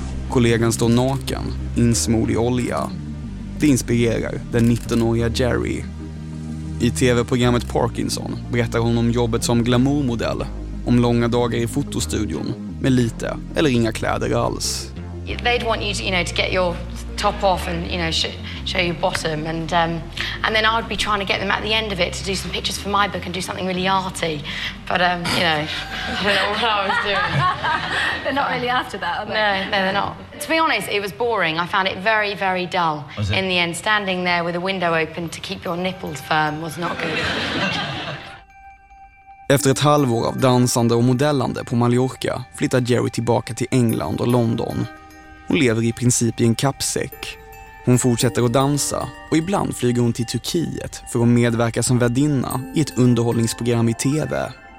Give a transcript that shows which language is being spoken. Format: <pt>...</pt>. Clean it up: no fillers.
<sv>Kollegan står naken, insmord i olja. Det inspirerar den 19-åriga Jerry. I tv-programmet Parkinson berättar hon om jobbet som glamourmodell, om långa dagar i fotostudion med lite eller inga kläder alls.</sv> <en>They'd want you to, you know, to get your top off and, you know, show your bottom, and then I'd be trying to get them at the end of it to do some pictures for my book and do something really arty, but you know, I don't know what I was doing. They're not really after that, are they? No, they're not. To be honest, it was boring. I found it very, very dull. Was it? In the end, standing there with a window open to keep your nipples firm was not good.</en> <sv>Efter ett halvår av dansande och modellande på Mallorca flyttar Jerry tillbaka till England och London. Hon lever i princip i en kappsäck. Hon fortsätter att dansa och ibland flyger hon till Turkiet för att medverka som värdinna i ett underhållningsprogram i tv.</sv>